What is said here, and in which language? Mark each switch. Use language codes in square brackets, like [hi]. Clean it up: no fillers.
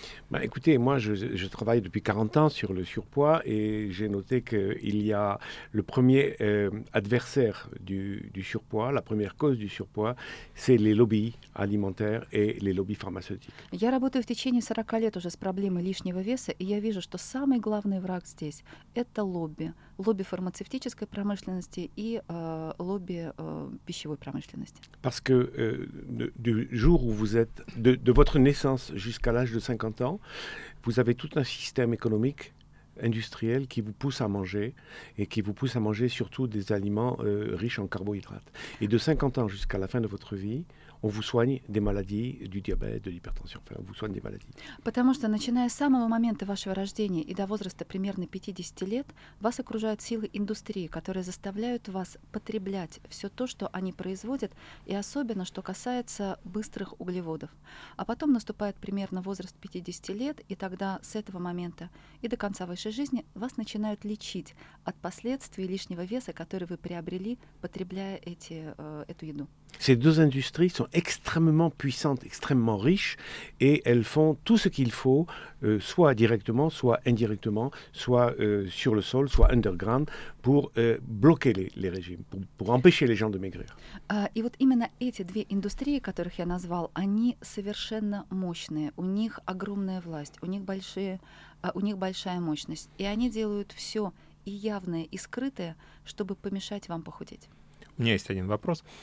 [fr] Bah, écoutez, moi, je travaille depuis 40 ans sur le surpoids et j'ai noté qu'il y a le premier adversaire du surpoids, la première cause du surpoids, c'est les lobbies alimentaires et les lobbies pharmaceutiques. [ru] Я работаю в течение 40 лет уже с проблемой лишнего веса, и я вижу, что самый главный враг здесь – это лобби. Лобби фармацевтической промышленности и лобби пищевой промышленности. [fr] Parce que du jour où vous êtes, de votre naissance jusqu'à l'âge de 50 ans, vous avez tout un système économique industriel qui vous pousse à manger et qui vous pousse à manger surtout des aliments riches en carbohydrates. Et de 50 ans jusqu'à la fin de votre vie, on vous soigne des maladies du diabète, de l'hypertension, enfin, on vous soigne des maladies. [ru] Потому что начиная с самого момента вашего рождения и до возраста примерно 50 лет, вас окружают силы индустрии, которые заставляют вас потреблять все то, что они производят, и особенно, что касается быстрых углеводов. А потом наступает примерно возраст 50 лет, и тогда с этого момента и до конца вашей жизни вас начинают лечить от последствий лишнего веса, который вы приобрели, потребляя эту еду. [fr] Ces deux industries sont extrêmement puissantes, extrêmement riches, et elles font tout ce qu'il faut, soit directement, soit indirectement, soit sur le sol, soit underground, pour bloquer les régimes, pour empêcher les gens de maigrir. [ru] И вот именно эти две индустрии, которых я назвал, они совершенно мощные, у них огромная власть, у них большая мощность, и они делают все и явное, и скрытое, чтобы помешать вам похудеть. У меня есть один вопрос.